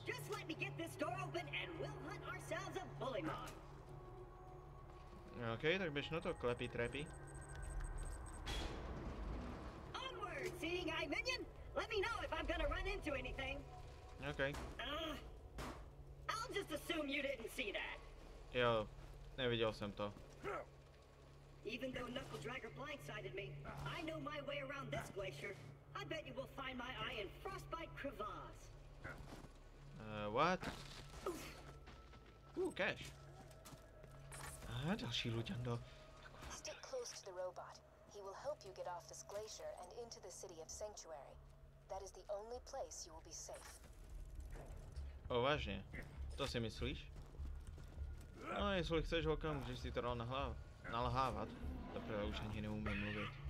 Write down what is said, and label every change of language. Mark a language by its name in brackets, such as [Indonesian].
[English] Just let me get this door open and we'll hunt ourselves a bully mob. [Czech] Okay, tak běž na to, klepí trepí. [English] Onward, seeing eye minion. Let me know if I'm gonna run into anything. Okay. I'll just assume you didn't see that. [Czech] Jo, neviděl jsem to. [English] Even though Knuckle Dragger blindsided me, I know my way around this glacier. I bet you will find my eye in frostbite crevasse. What? Ooh, cash. [Czech] Další Luďando. [English] Stick close to the robot. He will help you get off this glacier and into the city of Sanctuary. That is the only place you will be safe. [Czech] O, vážně? To si myslíš? No, jestli chceš holka, můžeš si to dal nalhávat. Dobře, už ani neumím mluvit.